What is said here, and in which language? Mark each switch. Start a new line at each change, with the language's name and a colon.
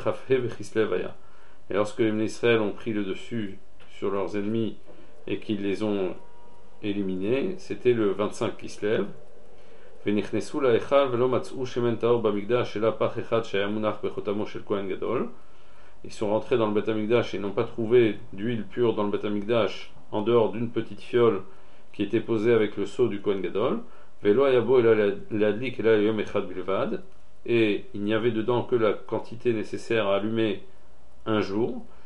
French: Et lorsque les Bnei Israël ont pris le dessus sur leurs ennemis et qu'ils les ont éliminés, c'était le 25 qui se lève.
Hebrew: ונכנסו להיכל ולא מצאו שמן טהור במקדש אלא פח אחד שהיה מונח בחותמו של כהן גדול.
French: Ils sont rentrés dans le Bet Amikdash et n'ont pas trouvé d'huile pure dans le Bet Amikdash en dehors d'une petite fiole qui était posée avec le seau du Kohen Gadol.
Hebrew: Velo yabo ela ladlik ela yom echad bilvad,
French: et il n'y avait dedans que la quantité nécessaire à allumer un jour.